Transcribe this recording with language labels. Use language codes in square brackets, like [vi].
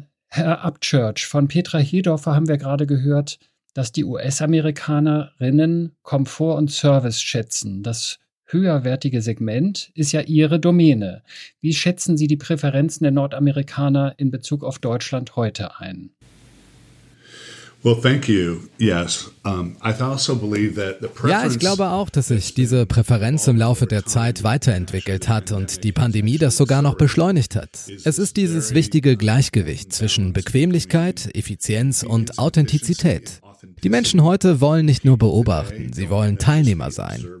[de] Herr Upchurch, von Petra Hedorfer haben wir gerade gehört, dass die US-Amerikanerinnen Komfort und Service schätzen. Das höherwertige Segment ist ja Ihre Domäne. Wie schätzen Sie die Präferenzen der Nordamerikaner in Bezug auf Deutschland heute ein? [en] Well, thank you. Yes. I also believe that the preference. [de] Ja, ich glaube auch, dass sich diese Präferenz im Laufe der Zeit weiterentwickelt hat und die Pandemie das sogar noch beschleunigt hat. Es ist dieses wichtige Gleichgewicht zwischen Bequemlichkeit, Effizienz und Authentizität. Die Menschen heute wollen nicht nur beobachten, sie wollen Teilnehmer sein.